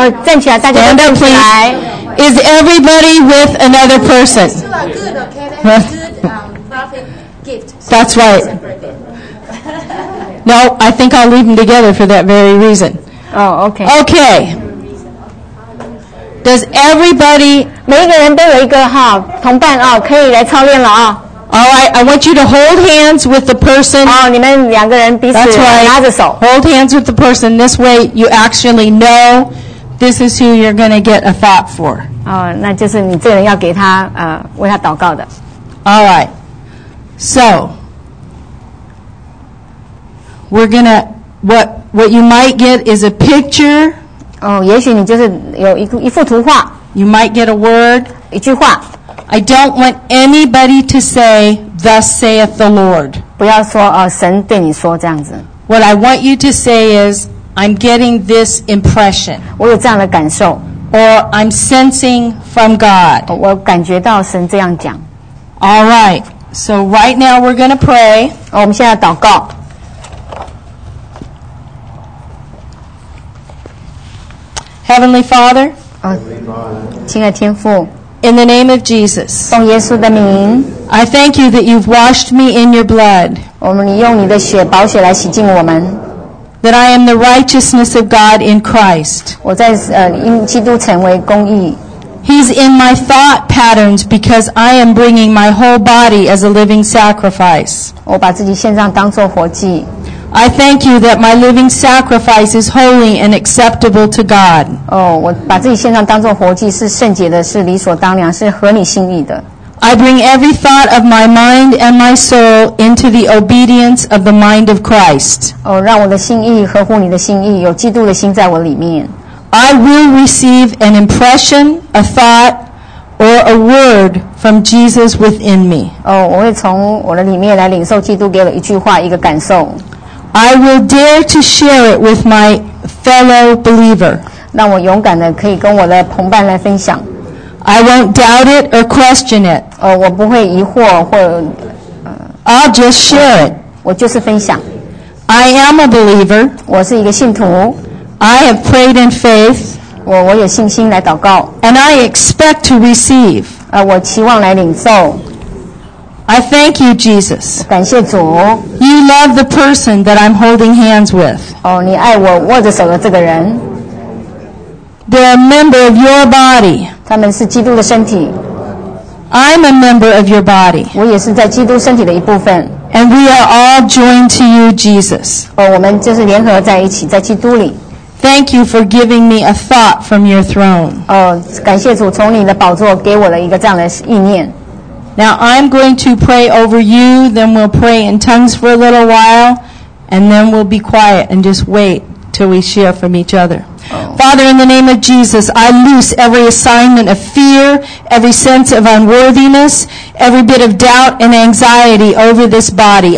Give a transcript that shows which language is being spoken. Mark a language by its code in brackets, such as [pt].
[zh] 站起来，大家站起来。 [en] Stand up, please. Is everybody with another person? Good, okay. Good, that's right. No, I think I'll leave them together for that very reason. Oh, okay. Okay. Does everybody? [zh] 每一个人都有一个哈同伴啊，可以来操练了啊。 [en] All right, I want you to hold hands with the person. [zh] Oh, 你们两个人彼此 [en] That's right. [zh] 拿着手。 [en] Hold hands with the person. This way, you actually know this is who you're going to get a thought for. [zh] Oh, 那就是你这个人要给他为他祷告的。 [en] All right. So, we're going to, what you might get is a picture. [zh] Oh, 也许你就是有一幅图画。 [en] You might get a word. [zh] 一句话。 [en] I don't want anybody to say, "Thus saith the Lord." [zh] 不要说神对你说这样子。 [en] What I want you to say is, "I'm getting this impression." [zh] 我有这样的感受。 [en] Or I'm sensing from God. [zh] 我感觉到神这样讲。 [en] All right. So right now we're going to pray. [zh] 我们现在祷告。 [en] Heavenly Father. [zh] 亲爱天父。 [en] In the name of Jesus, [zh] 奉耶稣的名 [en] I thank you that you've washed me in your blood. [zh] 你用你的血宝血来洗净我们 [en] That I am the righteousness of God in Christ. [zh] 我在因基督成为公义 [en] He's in my thought patterns because I am bringing my whole body as a living sacrifice. [zh] 我把自己献上当作活祭 [en] I thank you that my living sacrifice is holy and acceptable to God. [zh] 我把自己献上当作活祭是圣洁的，是理所当然，是合你心意的。 [en] I bring every thought of my mind and my soul into the obedience of the mind of Christ. [zh] 让我的心意合乎你的心意，有基督的心在我里面。 [en] I will receive an impression, a thought, or a word from Jesus within me. [zh] 我会从我的里面来领受基督给我一句话，一个感受。 [en] I will dare to share it with my fellow believer. [zh] 让我勇敢的可以跟我的同伴来分享。 [en] I won't doubt it or question it. [zh] 我不会疑惑或。 [en] I'll just share it. [zh] 我就是分享。 [en] I am a believer. [zh] 我是一个信徒。 [en] I have prayed in faith. [zh] 我有信心来祷告。 [en] And I expect to receive. [zh] 我期望来领受。 [en] I thank you, Jesus. [zh] 感谢主。 [en] You love the person that I'm holding hands with. [zh] 你爱我握着手的这个人。 [en] They're a member of your body. [zh] 他们是基督的身体。 [en] I'm a member of your body. [zh] 我也是在基督身体的一部分。 [en] And we are all joined to you, Jesus. [zh] 我们就是联合在一起，在基督里。 [en] Thank you for giving me a thought from your throne. [zh] 感谢主从你的宝座给我了一个这样的意念。 [en] Now I'm going to pray over you, then we'll pray in tongues for a little while, and then we'll be quiet and just wait till we share from each other. Father, in the name of Jesus, I loose every assignment of fear, every sense of unworthiness, every bit of doubt and anxiety over this body.